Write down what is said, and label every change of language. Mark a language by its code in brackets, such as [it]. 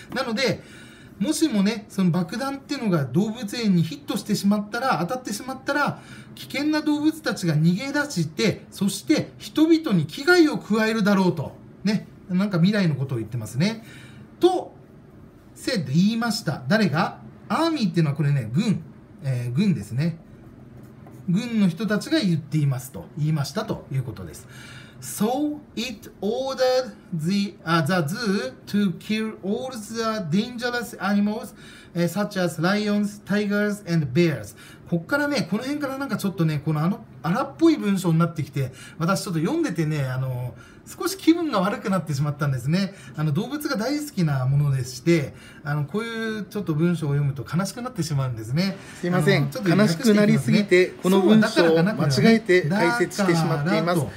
[ja] なので、もしもね、その爆弾っていうのが動物園にヒットしてしまったら、当たってしまったら、危険な動物たちが逃げ出して、そして、人々に危害を加えるだろうと。ね。なんか未来のことを言ってますね。と、said、言いました。誰が？アーミーっていうのはこれね、軍。軍ですね。軍の人たちが言っていますと。言いましたということです。 [en] So, it ordered the zoo to kill all the dangerous animals, such as lions, tigers, and bears. [ja] こっからね、この辺からなんかちょっとね、この荒っぽい文章になってきて、私ちょっと読んでてね、少し気分が悪くなってしまったんですね。動物が大好きなものでして、こういうちょっと文章を読むと悲しくなってしまうんですね。すいません。ちょっと悲しくなりすぎて、この文章を間違えて解説してしまっています。